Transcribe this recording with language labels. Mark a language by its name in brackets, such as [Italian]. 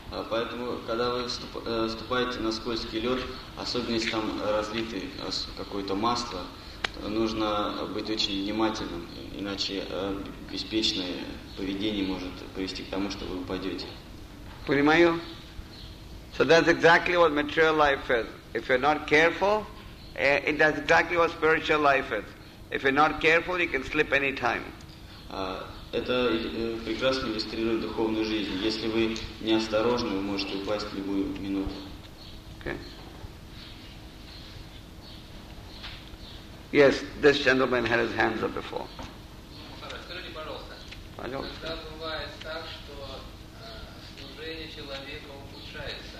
[Russian] Поэтому, когда вы ступаете на скользкий лед, особенно если там разлито какое-то масло, нужно быть очень внимательным, иначе беспечное поведение может привести к тому, что вы упадете. Понимаю? [English] So that's exactly what material life is. If you're not careful, that's exactly what spiritual life is. If you're not careful, you can slip any time. [Russian] Это прекрасно иллюстрирует духовную жизнь. Если вы неосторожны, вы можете упасть в любую минуту. [English] Okay. Yes, this gentleman had his hands up before. [Russian] Скажите, пожалуйста, когда бывает так, что служение человека ухудшается?